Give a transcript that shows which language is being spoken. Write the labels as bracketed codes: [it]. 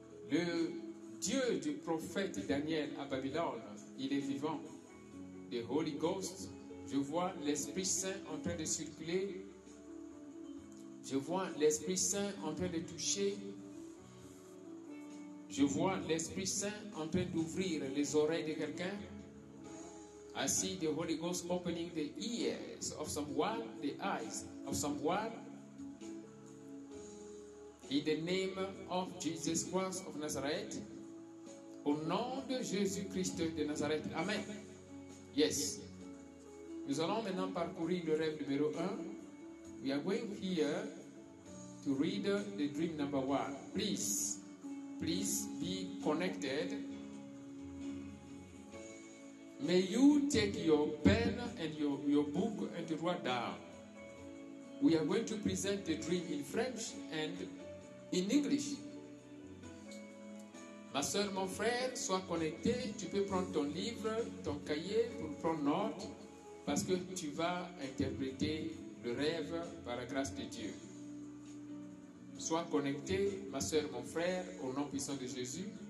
[fr] Le Dieu du prophète Daniel à Babylone, il est vivant. [en] The Holy Ghost, [fr] je vois l'Esprit Saint en train de circuler. Je vois l'Esprit Saint en train de toucher. Je vois l'Esprit Saint en train d'ouvrir les oreilles de quelqu'un. [en] I see the Holy Ghost opening the ears of someone, the eyes of someone. In the name of Jesus Christ of Nazareth. [fr] Au nom de Jésus Christ de Nazareth. Amen. Yes. Nous allons maintenant parcourir le rêve numéro 1. [en] We are going here to read the dream number 1. Please. Please be connected. May you take your pen and your book and write down. We are going to present the dream in French and in English. [fr] Ma soeur, mon frère, sois connecté. Tu peux prendre ton livre, ton cahier pour prendre note parce que tu vas interpréter le rêve par la grâce de Dieu. Sois connecté, ma soeur, mon frère, au nom puissant de Jésus.